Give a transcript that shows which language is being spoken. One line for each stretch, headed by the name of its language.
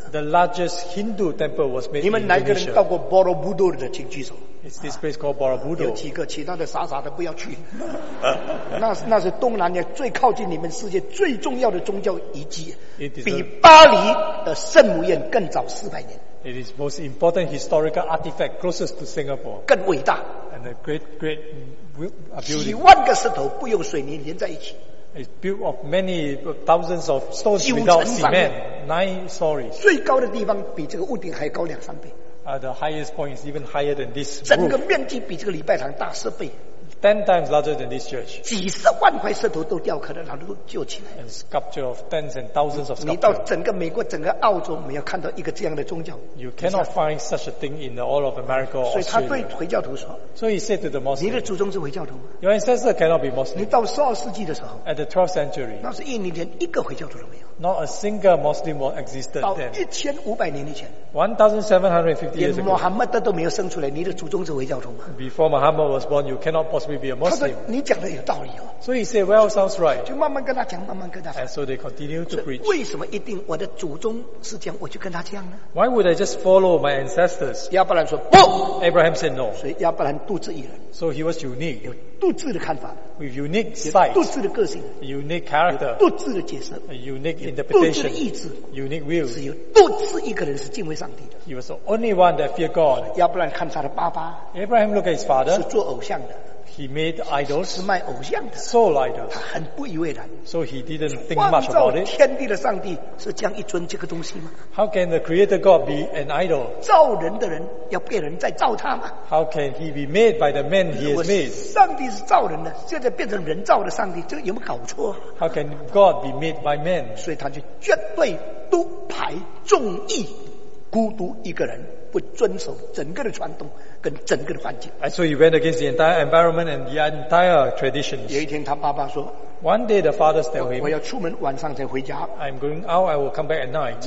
English: The largest Hindu temple was made in Indonesia.
Chinese: 你们哪个人到过 Borobudur 的请举手。
English: It's this place called Borobudur.
Chinese: 有几个其他的傻傻的不要去。那是东南亚最靠近你们世界最重要的宗教遗迹。比巴黎的圣母院更早400年。
English: It is most important historical artifact closest to Singapore.
Chinese: 更伟大,
English: and a great building.
Chinese: 几万个石头不用水泥连在一起,
English: it's built of many thousands of stones without cement. 9 stories.
Chinese: 最高的地方比这个屋顶还高两三倍,
English: the highest point is even higher than this roof.
Chinese: 整个面积比这个礼拜堂大10倍,
English: 10 times larger than this church.
Chinese: 几十万块石头都雕刻了然后就起来了,
English: and sculpture of tens and thousands of sculptures.
Chinese: 你到整个美国整个澳洲没有看到一个这样的宗教,
English: you cannot find such a thing in all of America or Australia.
Chinese: 所以他对回教徒说,
English: so he said to the Muslim,
Chinese: 你的祖宗是回教徒吗?
English: Your ancestor cannot be Muslim.
Chinese: 你到12世纪的时候,
English: at the 12th century,
Chinese: 那是印尼连一个回教徒都没有,
English: not a single Muslim existed then.
Chinese: 到1750年以前,
English: 1750 years ago,
Chinese: 连穆罕默德都没有生出来, 你的祖宗是回教徒吗?
English: Before Muhammad was born, you cannot possibly be a Muslim. So he said, well, sounds right.
Chinese: 就慢慢跟他讲, 慢慢跟他讲,
English: and so they continue to preach.
Chinese: 为什么一定我的祖宗是这样, 我就跟他这样呢?
English: Why would I just follow my ancestors?
Chinese: 亚伯兰说不,
English: Abraham said no.
Chinese: 所以亚伯兰独自一人,
English: so he was unique,
Chinese: 有独自的看法,
English: with unique sight,
Chinese: 独自的个性,
English: unique character,
Chinese: 独自的解释,
English: a unique interpretation,
Chinese: 独自的意志,
English: unique will.
Chinese: 只有独自一个人是敬畏上帝的,
English: he was the only one that feared God.
Chinese: 亚伯兰看他的爸爸,
English: Abraham looked at his father,
Chinese: 是做偶像的,
English: he made idols,
Chinese: 是卖偶像的,
English: soul idols.
Chinese: 他很不以为然,
English: so he didn't think much about it.
Chinese: 创造天地的上帝是这样一尊这个东西吗?
English: How can the creator God be an idol?
Chinese: 造人的人要被人再造他吗?
English: How can he be made by the man he has made?
Chinese: 上帝是造人的, 现在变成人造的上帝, 这有没有搞错?
English: How can God be made by man?
Chinese: 所以他就绝对独排众议, 孤独一个人, 不遵守整个的传统, 跟整个的环境,
English: and so he went against the entire environment and the entire traditions.
Chinese: 有一天他爸爸说,
English: one day the father told him,
Chinese: 我要出门晚上再回家,
English: I'm going out, I will come back at night,